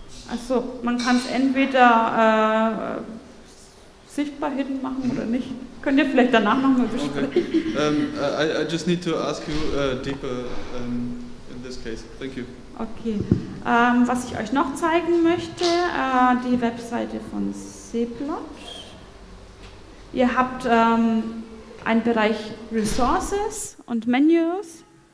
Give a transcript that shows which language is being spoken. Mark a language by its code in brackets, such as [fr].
[de] Also man kann es entweder sichtbar hidden machen oder nicht. Könnt ihr vielleicht danach noch mal besprechen? [en] Okay. I just need to ask you deeper in this case. Thank you. Okay. [de] Was ich euch noch zeigen möchte, die Webseite von Seeblatt. Ihr habt einen Bereich Resources und Menus.